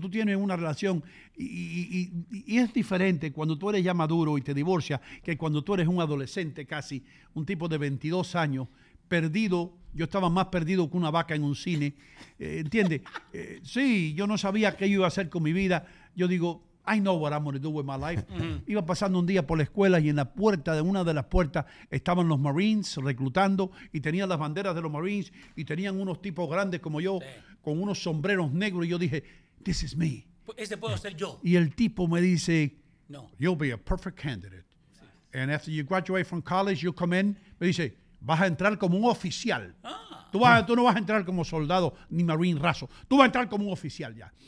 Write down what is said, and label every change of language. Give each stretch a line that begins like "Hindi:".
Spanish: Cuando tú tienes una relación y es diferente cuando tú eres ya maduro y te divorcias que cuando tú eres un adolescente casi, un tipo de 22 años, perdido. Yo estaba más perdido que una vaca en un cine, ¿entiendes? Sí, yo no sabía qué iba a hacer con mi vida. Yo digo,
English: I know what I'm going to do with my life. Uh-huh.
Spanish: Iba pasando un día por la escuela y en la puerta de una de las puertas estaban los Marines reclutando y tenían las banderas de los Marines y tenían unos tipos grandes como yo, sí, con unos sombreros negros. Y yo dije,
English: this is me.
Spanish: Ese puedo ser yo. Y el tipo me dice, no,
English: you'll be a perfect candidate.
Spanish: Sí.
English: And after you graduate from college, you come in.
Spanish: Me dice, vas a entrar como un oficial. Ah. Tú no vas a entrar como soldado ni marine raso. Tú vas a entrar como un oficial ya.